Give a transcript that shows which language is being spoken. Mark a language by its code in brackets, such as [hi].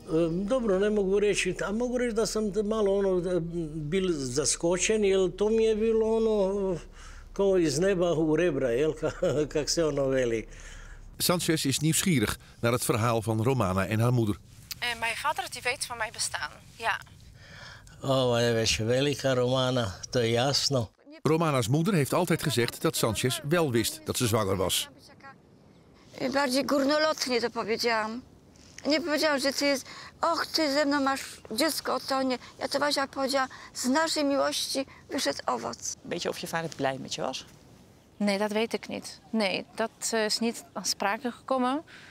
[hr] Dobro, ne mogu reći. A mogu reći da sam malo ono bil zaskočen, jer to mi je bilo ono kao iz neba u rebra, jel, kak se ono veli. [nl] Sanchez is nieuwsgierig naar het verhaal van Romana en haar moeder. Mijn vader die weet van mijn bestaan, ja. [hr] Ovo je već velika Romana, to je jasno. [nl] Romana's moeder heeft altijd gezegd dat Sanchez wel wist dat ze zwanger was. [pl] Bardziej górnolotnie to powiedziałam. Nie powiedziałam, że ty jest, och, ty ze mną masz dziecko, to nie. Ja to właśnie powiedziałam, z naszej miłości wyszedł owoc. [nl] Weet je of je vader blij met je was? Nee, dat weet ik niet. Nee, dat is niet aan sprake gekommen.